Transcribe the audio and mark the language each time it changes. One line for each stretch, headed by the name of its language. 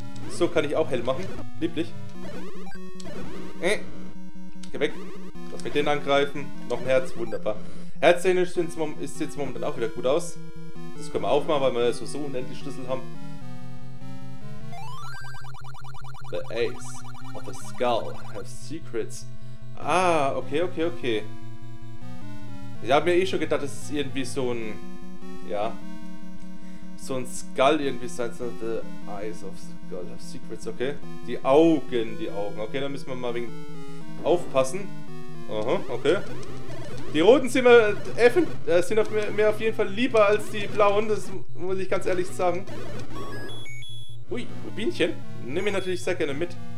German: So kann ich auch hell machen. Lieblich. Geh weg. Lass mich den angreifen. Noch ein Herz. Wunderbar. Herztechnisch ist jetzt momentan auch wieder gut aus. Das können wir aufmachen, weil wir so unendlich Schlüssel haben.
English: The Ace of the Skull has secrets. Okay.
German: Ich habe mir eh schon gedacht, das ist irgendwie so ein... Ja. So ein Skull irgendwie sein.
English: So the Eyes of the Skull have secrets, okay.
German: Die Augen. Okay, dann müssen wir mal wegen... aufpassen. Aha, okay. Die Roten sind, mir auf jeden Fall lieber als die Blauen, das muss ich ganz ehrlich sagen. Ui, Rubinchen. Nimm ich natürlich sehr gerne mit.